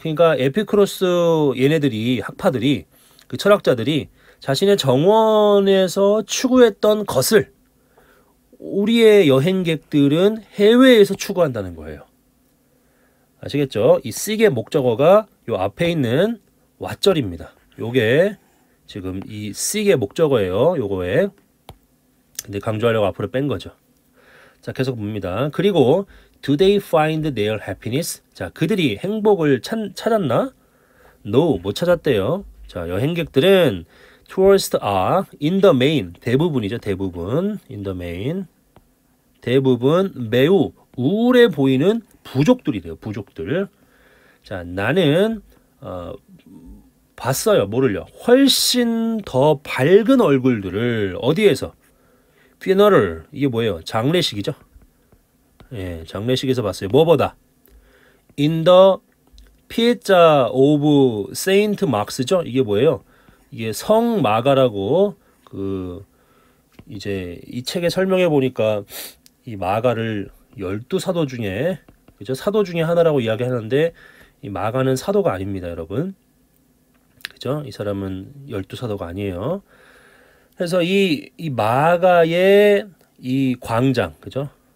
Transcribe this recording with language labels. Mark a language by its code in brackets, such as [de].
[ko] 그러니까 에피크로스 얘네들이, 학파들이, 그 철학자들이 자신의 정원에서 추구했던 것을 우리의 여행객들은 해외에서 추구한다는 거예요. 아시겠죠? 이 seek의 목적어가 요 앞에 있는 왓절입니다. 요게 지금 이 seek의 목적어예요. 요거에. 근데 강조하려고 앞으로 뺀 거죠. 자, 계속 봅니다. 그리고 [en] do they find their happiness? [ko] 자, 그들이 행복을 찾았나? No, 못 찾았대요. 자, 여행객들은 [en] tourists are in the main, [ko] 대부분이죠, 대부분. [en] in the main. [ko] 대부분 매우 우울해 보이는 부족들이래요, 부족들. 자, 나는 봤어요, 뭐를요? 훨씬 더 밝은 얼굴들을 어디에서? funeral, 이게 뭐예요? 장례식이죠? 예, 장례식에서 봤어요. 무엇보다? [en] in the Piazza of Saint Mark's죠? [ko] 이게 뭐예요? 이게 성마가라고, 이제 이 책에 설명해 보니까 이 마가를 열두 사도 중에, 그죠? 사도 중에 하나라고 이야기하는데, 이 마가는 사도가 아닙니다, 여러분. 그죠? 이 사람은 열두 사도가 아니에요. 그래서 이 마가의 이 광장, 그죠?